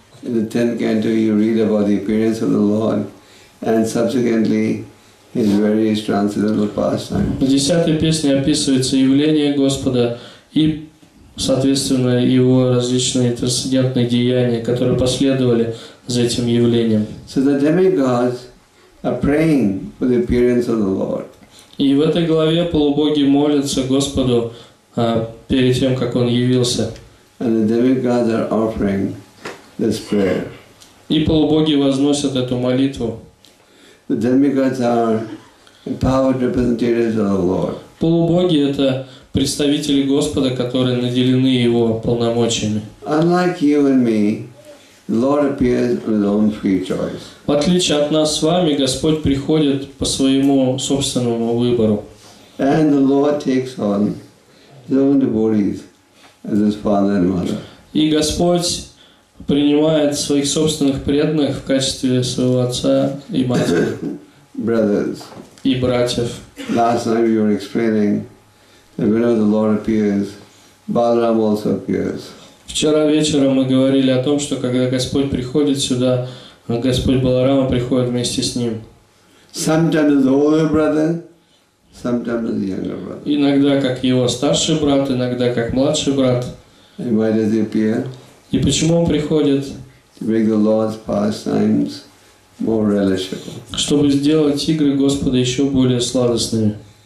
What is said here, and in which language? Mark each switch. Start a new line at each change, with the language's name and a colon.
Russian: В 10-й песне описывается явление Господа и соответственно, его различные трансцендентные деяния, которые последовали за этим явлением.
English: So the demigods are praying for the appearance of the Lord.
Russian: И в этой главе полубоги молятся Господу перед тем, как Он явился.
English: And the demigods are offering this prayer.
Russian: И полубоги возносят эту молитву.
English: The demigods are empowered representatives of the Lord.
Russian: Полубоги — это представители Господа, которые наделены Его полномочиями.
English: Unlike you and me, Lord appears of his own free choice.
Russian: В отличие от нас с вами, Господь приходит по своему собственному выбору.
English: And the Lord takes on his own devotees as his father and mother.
Russian: И Господь принимает своих собственных преданных в качестве своего отца и матери.
English: Brothers.
Russian: И братьев.
English: Last night we were explaining that whenever the Lord appears, Balaram also appears.
Russian: Вчера вечером мы говорили о том, что когда Господь приходит сюда, Господь Баларама приходит вместе с Ним.
English: Sometimes the older brother, sometimes the younger brother.
Russian: Иногда как его старший брат, иногда как младший брат.
English: And why does he appear?
Russian: И почему он приходит?
English: To make the Lord's pastimes more relishable.
Russian: Чтобы сделать игры Господа еще более сладостными.